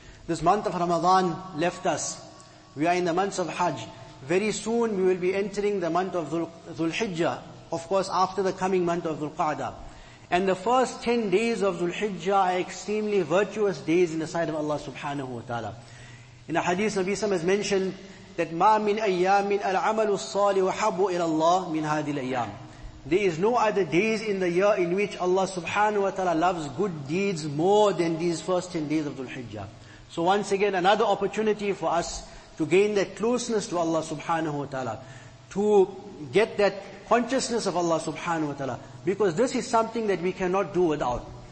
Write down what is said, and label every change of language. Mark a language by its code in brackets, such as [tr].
[en] This month of Ramadan left us. We are in the months of Hajj. Very soon we will be entering the month of Dhul-Hijjah. Of course, after the coming month of Dhul-Qa'dah. And the first 10 days of Dhul-Hijjah are extremely virtuous days in the sight of Allah subhanahu wa ta'ala. In the hadith, Nabi Sallam has mentioned that [ar] مَا مِنْ أَيَّامٍ الْعَمَلُ الصَّالِحُ حَبُّ إِلَى اللَّهِ مِنْ هَذِي الْأَيَّامِ. [en] There is no other days in the year in which Allah subhanahu wa ta'ala loves good deeds more than these first 10 days of Dhul-Hijjah. So once again, another opportunity for us to gain that closeness to Allah subhanahu wa ta'ala, to get that consciousness of Allah subhanahu wa ta'ala, because this is something that we cannot do without.